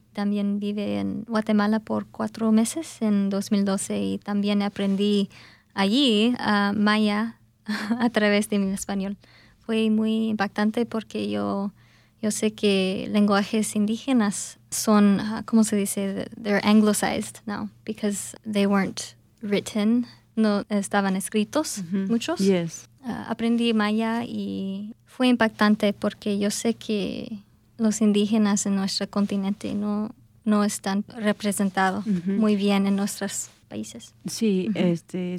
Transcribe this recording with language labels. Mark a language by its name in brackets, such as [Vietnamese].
[Spanish] También vive en Guatemala por 4 meses en 2012 y también aprendí allí maya a través de mi español. Fue muy impactante porque yo sé que lenguajes indígenas son, ¿cómo se dice? [English] They're anglicized now because they weren't written. [Spanish] No estaban escritos, mm-hmm. Muchos. [English] Yes. [Spanish] Aprendí maya y fue impactante porque yo sé que los indígenas en nuestro continente no están representados, uh-huh, muy bien en nuestros países. Sí, uh-huh.